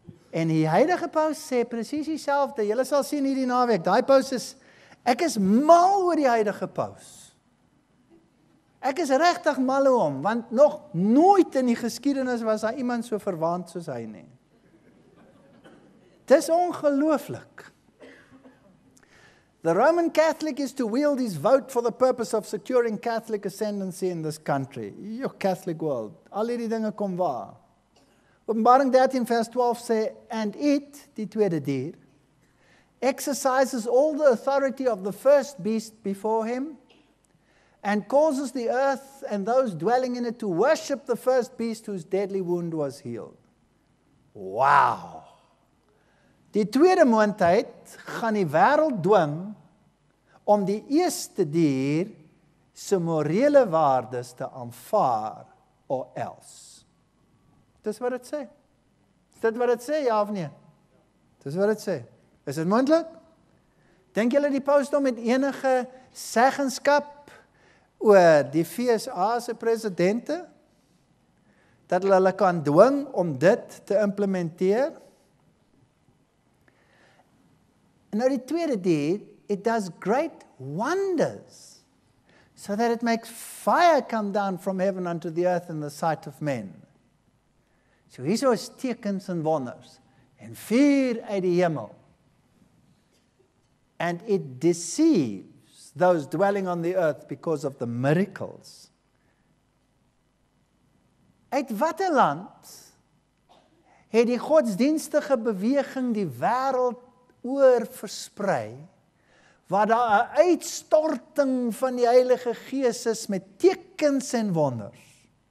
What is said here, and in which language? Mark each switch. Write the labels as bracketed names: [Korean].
[Afrikaans] En die huidige paus sê presies dieselfde. Julle sal sien hierdie naweek. Daai paus is ek is mal oor die huidige paus. Ek is regtig mal oor hom, want nog nooit in die geskiedenis was daar iemand so verwaand soos hy nie. Dis ongelooflik. [English] The Roman Catholic is to wield his vote for the purpose of securing Catholic ascendancy in this country. Your Catholic world. [Afrikaans] Al hierdie dinge kom waar. Openbaring 13 vers 12 sê, [English] and it, [Afrikaans] die tweede dier, [English] exercises all the authority of the first beast before him, and causes the earth and those dwelling in it to worship the first beast whose deadly wound was healed. Wow! [Afrikaans] Die tweede moontheid gaan die wêreld dwing om die eerste dier se morele waardes te aanvaar [English] or else. [Afrikaans] Dis wat dit sê. Is dit wat dit sê, ja of nie? Dis wat dit sê. Is dit moontlik? Denk julle die pausdom met enige seggenskap oor die VSA se presidente dat hulle kan dwing om dit te implementeer? En nou die tweede deed, [English] it does great wonders, so that it makes fire come down from heaven unto the earth in the sight of men. [Afrikaans] So hier so is tekens en wonders, en vuur uit die hemel. [English] And it deceives those dwelling on the earth because of the miracles. [Afrikaans] Uit wat een land het die godsdienstige beweging die wêreld oor versprei, waar daar 'n uitstorting van die Heilige Gees is met tekens en wonders.